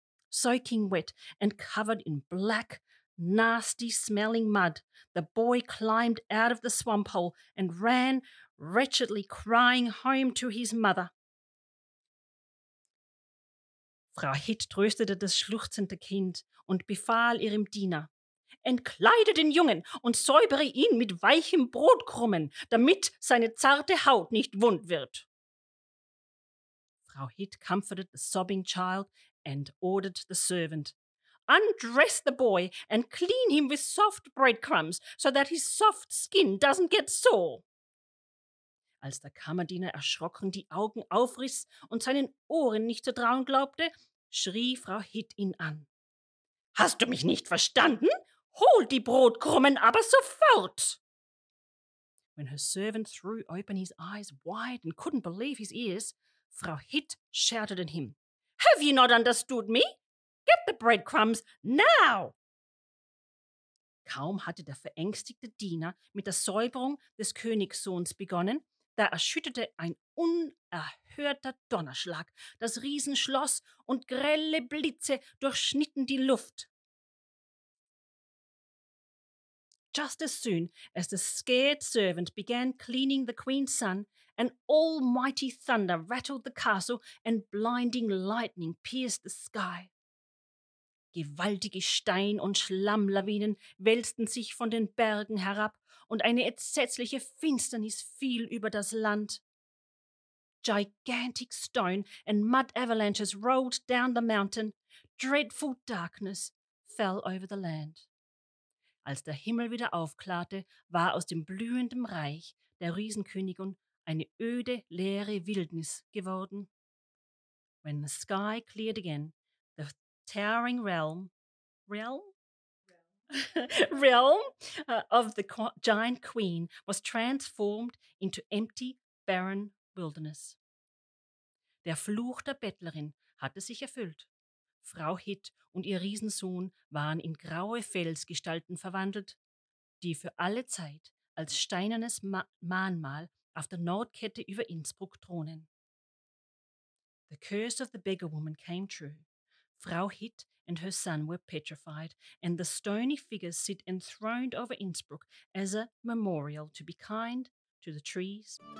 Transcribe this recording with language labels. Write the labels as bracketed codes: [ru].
[en] Soaking wet and covered in black, nasty smelling mud, the boy climbed out of the swamp hole and ran, wretchedly crying, home to his mother. [de] Frau Hitt tröstete das schluchzende Kind und befahl ihrem Diener, entkleide den Jungen und säubere ihn mit weichem Brotkrumen, damit seine zarte Haut nicht wund wird. [en] Frau Hitt comforted the sobbing child and ordered the servant, undress the boy and clean him with soft breadcrumbs so that his soft skin doesn't get sore. [de] Als der Kammerdiener erschrocken die Augen aufriss und seinen Ohren nicht zu trauen glaubte, schrie Frau Hitt ihn an. Hast du mich nicht verstanden? Hol die Brotkrumen aber sofort! [en] When her servant threw open his eyes wide and couldn't believe his ears, Frau Hitt shouted at him, have you not understood me? Get the breadcrumbs now! [de] Kaum hatte der verängstigte Diener mit der Säuberung des Königssohns begonnen, da erschütterte ein unerhörter Donnerschlag das Riesenschloss und grelle Blitze durchschnitten die Luft. [en] just as soon as the scared servant began cleaning the queen's son, an almighty thunder rattled the castle and blinding lightning pierced the sky. [de] Gewaltige Stein- und Schlammlawinen wälzten sich von den Bergen herab und eine entsetzliche Finsternis fiel über das Land. [en] Gigantic stone and mud avalanches rolled down the mountain. Dreadful darkness fell over the land. [de] Als der Himmel wieder aufklarte, war aus dem blühenden Reich der Riesenkönigin eine öde, leere Wildnis geworden. [en] When the sky cleared again, the towering giant queen was transformed into empty, barren wilderness. [de] Der Fluch der Bettlerin hatte sich erfüllt. Frau Hitt und ihr Riesensohn waren in graue Felsgestalten verwandelt, die für alle Zeit als steinernes Mahnmal auf der Nordkette über Innsbruck thronen. [en] The curse of the beggar woman came true. Frau Hitt and her son were petrified, and the stony figures sit enthroned over Innsbruck as a memorial to be kind to the trees.